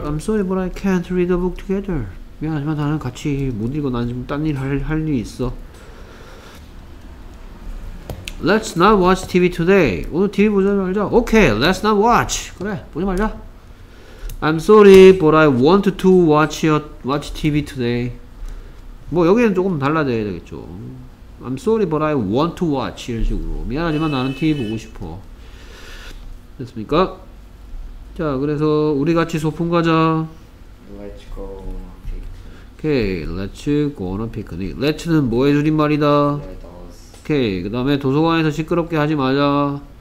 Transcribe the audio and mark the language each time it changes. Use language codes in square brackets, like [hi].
[en] I'm sorry, but I can't read a book together. [ko] 미안하지만 나는 같이 못 읽어. 나는 지금 딴 일 할 일이 있어. [en] 'Let's not watch TV today. [ko] 오늘 TV 보지 말자. [en] Okay, let's not watch. [ko] 그래, 보지 말자. [en] I'm sorry, but I want to watch TV today. [ko] 뭐 여기는 조금 달라져야 되겠죠. [en] I'm sorry, but I want to watch [ko] 이런 식으로. 미안하지만 나는 TV 보고 싶어. 됐습니까? 자, 그래서 우리 같이 소풍 가자. [en] Let's go on a picnic. Okay, let's go on a picnic. Let's는 [ko] 뭐 해주린 말이다. [en] Let us. [ko] Okay, 그 다음에 도서관에서 시끄럽게 하지 마자.